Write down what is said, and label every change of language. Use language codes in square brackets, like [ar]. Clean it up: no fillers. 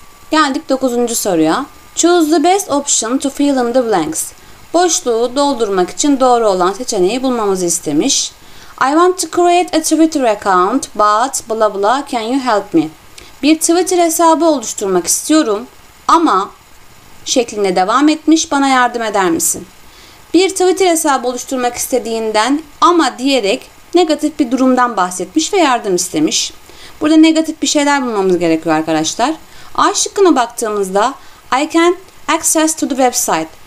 [tr] Geldik 9. soruya. [en] Choose the best option to fill in the blanks. [tr] Boşluğu doldurmak için doğru olan seçeneği bulmamızı istemiş. [en] I want to create a Twitter account, but blah blah, can you help me? [tr] Bir Twitter hesabı oluşturmak istiyorum ama şeklinde devam etmiş. Bana yardım eder misin? Bir Twitter hesabı oluşturmak istediğinden ama diyerek negatif bir durumdan bahsetmiş ve yardım istemiş. Burada negatif bir şeyler bulmamız gerekiyor arkadaşlar. A şıkkına baktığımızda [en] I can access to the website.